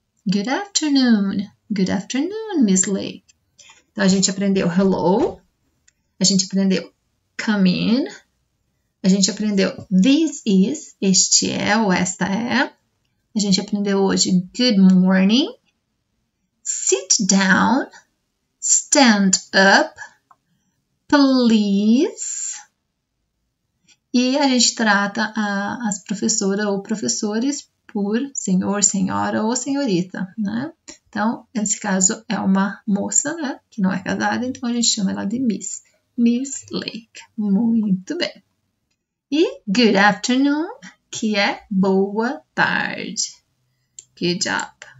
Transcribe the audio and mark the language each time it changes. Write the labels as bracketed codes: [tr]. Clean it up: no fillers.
[en] Good afternoon, Miss Lake. [pt] Então, a gente aprendeu hello, a gente aprendeu [en] come in, [pt] a gente aprendeu [en] this is, [pt] este é ou esta é, a gente aprendeu hoje [en] good morning. Sit down, stand up, please. [pt] E a gente trata as professoras ou professores por senhor, senhora ou senhorita, né? Então, nesse caso é uma moça, né? Que não é casada, então a gente chama ela de Miss. Miss Lake. Muito bem. E [en] good afternoon, [pt] que é boa tarde. [en] Good job.